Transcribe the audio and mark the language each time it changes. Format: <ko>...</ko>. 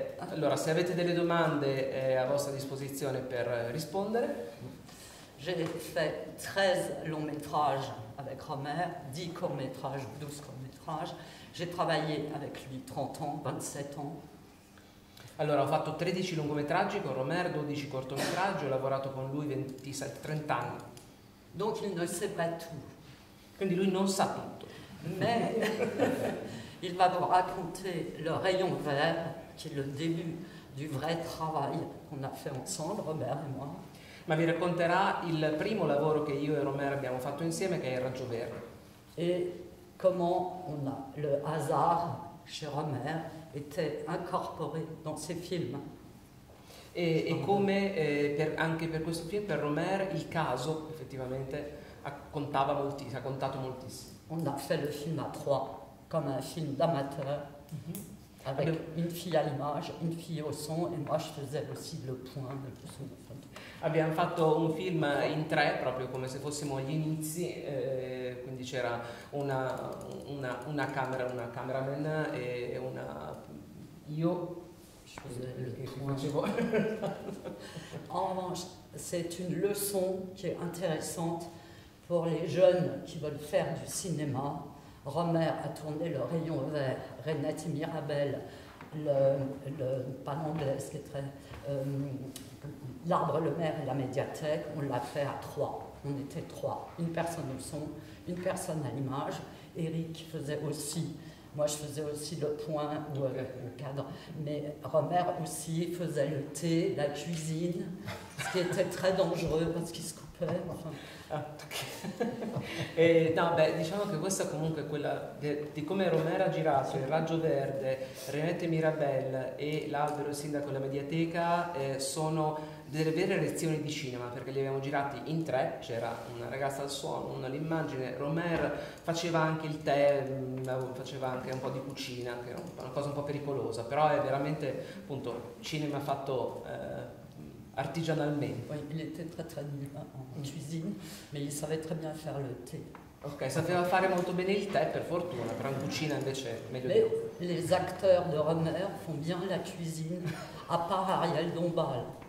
<it>Allora, se avete delle domande, è a vostra disposizione per rispondere.</it> <fr>J'ai fait 13 longs métrages avec Romer, 10 courts métrages, 12 courts métrages. J'ai travaillé avec lui 30 ans, 27 ans.</fr> <it>Allora, ho fatto 13 lungometraggi con Romer, 12 cortometraggi, ho lavorato con lui 27-30 anni.</it> <fr>Donc il ne sait pas tout.</fr> <it>Quindi lui non sa tutto.</it> <fr>Mais il va vous raconter le rayon vert, qui est le début du vrai travail qu'on a fait ensemble, Romer et moi.</fr> <it>Ma vi racconterà il primo lavoro che io e Romer abbiamo fatto insieme, che è il raggio verde. E come</it> <fr>on a le hasard chez Romer était incorporé dans ses films.</fr> <it>E come per, anche per questo film, per Romer, il caso effettivamente contava moltissimo, ha contato moltissimo.</it> <fr>On a fait le film à trois, come un film d'amateur, mm-hmm. avec Allo... une fille à l'image, une fille au son, et moi je faisais aussi le point.</fr> <it>Abbiamo fatto un film in tre, proprio come se fossimo agli inizi, quindi c'era una camera, una cameraman e una... io... Facevo...</it> <fr>En revanche, c'est une leçon qui est intéressante pour les jeunes qui veulent faire du cinéma. Romer a tourné Le Rayon Vert, Renette Mirabel, le pan anglais qui est très... L'Arbre, le Maire et la médiathèque, on l'a fait à trois. On était trois. Une personne au son, une personne à l'image. Eric faisait aussi, moi je faisais aussi le point ou le cadre. Mais Romer aussi faisait le thé, la cuisine, ce qui était très dangereux parce qu'il se coupait. Enfin. Ah, okay.</fr> <it>No, beh, diciamo che questa comunque è quella di come Romero ha girato Il Raggio Verde, Renette Mirabel e L'Albero, il Sindaco e la Mediateca, sono delle vere lezioni di cinema, perché li abbiamo girati in tre, c'era una ragazza al suono, una all'immagine, Romer faceva anche il tè, faceva anche un po' di cucina, che era una cosa un po' pericolosa, però è veramente appunto cinema fatto artigianalmente.</it> <fr>Oui, il était très très nul en cuisine, mais il savait très bien faire le thé.</fr> <it>Ok, sapeva fare molto bene il tè, per fortuna, però in cucina invece meglio di...</it> <fr>Les acteurs de Romer font bien la cuisine, à part Ariel Dombal.</fr>